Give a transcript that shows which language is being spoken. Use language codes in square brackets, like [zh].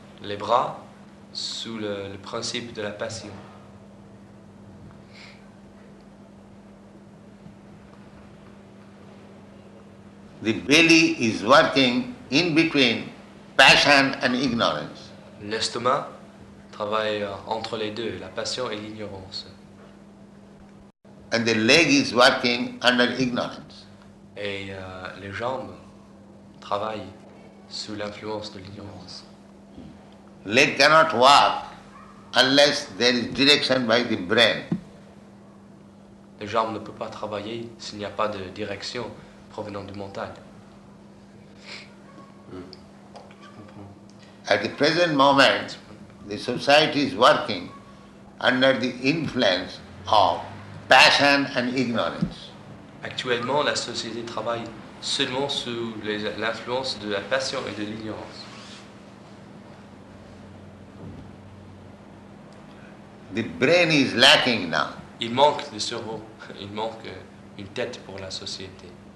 [fr] Les bras, sous le principe de la passion. [en] The belly is working in between passion and ignorance. [fr] L'estomac travaille entre les deux, la passion et l'ignorance. [en] And the leg is working under ignorance. [fr] Et les jambes travaillent sous l'influence de l'ignorance. [en] Leg cannot walk unless there is direction by the brain. [fr] Les jambes ne peuvent pas travailler s'il n'y a pas de direction provenant du mental. [en] At the present moment, the society is working under the influence of passion and ignorance. [fr] Actuellement, la société travaille seulement sous l'influence de la passion et de l'ignorance. [en] The brain is lacking now. [fr] Il manque le cerveau. Il manque une tête pour la société.